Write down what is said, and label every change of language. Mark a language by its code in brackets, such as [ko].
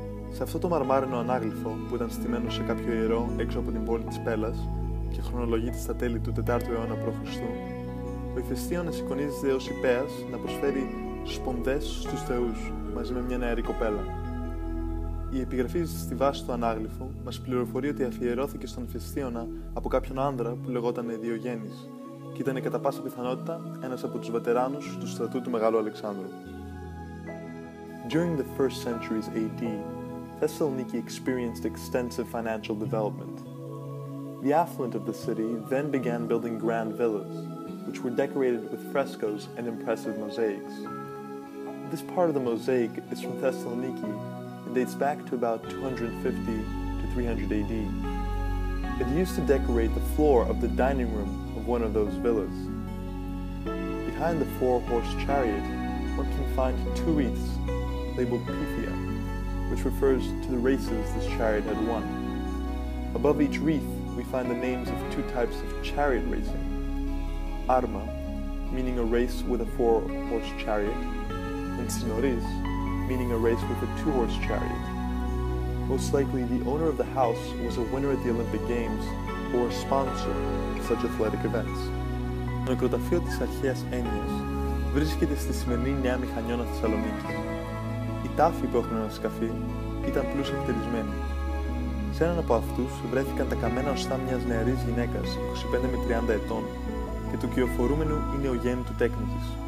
[el] Σε αυτό το μαρμάρινο ανάγλυφο, που ήταν στημένο σε κάποιο ιερό έξω από την πόλη της Πέλλας και χρονολογείται στα τέλη του 4ου αιώνα π.Χ., ο Εφαισθίωνας εικονίζεται ως Ιππέας να προσφέρει σπονδές στους θεούς μαζί με μια νεαρή κοπέλα. Η επιγραφή στη βάση του ανάγλυφου μας πληροφορεί ότι αφιερώθηκε στον Εφαισθίωνα από κάποιον άνδρα που λεγόταν Διογένης και ήταν κατά πάσα πιθανότητα ένας από τους βετεράνους του στρατού του Μεγάλου Αλεξάνδρου. [en] During the first centuries AD, Thessaloniki experienced extensive financial development. The affluent of the city then began building grand villas, which were decorated with frescoes and impressive mosaics. This part of the mosaic is from Thessaloniki and dates back to about 250 to 300 AD. It used to decorate the floor of the dining room of one of those villas. Behind the four-horse chariot, one can find two wreaths labeled Pythia, which refers to the races this chariot had won. Above each wreath, we find the names of two types of chariot racing. Arma, meaning a race with a four-horse chariot, and Sinoris, meaning a race with a two-horse chariot. Most likely, the owner of the house was a winner at the Olympic Games or a sponsor of such athletic events. [el] Το νεκροταφείο της αρχαίας Ένιας βρίσκεται στη σημερινή Νέα Μηχανιώνα Θεσσαλονίκη. Οι τάφοι που έχουν ένα σκαφί ήταν πλούσια χτερισμένοι. Σε έναν από αυτούς βρέθηκαν τα καμένα οστά μιας νεαρής γυναίκας 25 με 30 ετών και του κυοφορούμενου ή νεογέννη του τέκνη της.